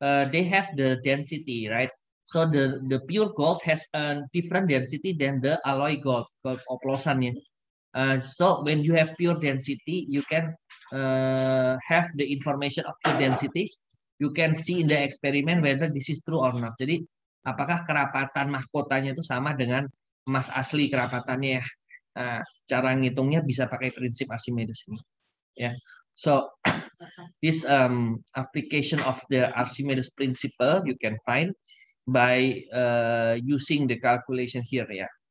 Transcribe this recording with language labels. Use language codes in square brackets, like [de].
[en] They have the density, right? So the pure gold has a different density than the alloy gold, gold oplosannya. So when you have pure density, you can have the information of pure density. You can see in the experiment whether this is true or not. [id] Jadi apakah kerapatan mahkotanya itu sama dengan emas asli kerapatannya? Cara ngitungnya bisa pakai prinsip Archimedes ini. Yeah. [en] So this application of the Archimedes principle you can find by using the calculation here. Yeah.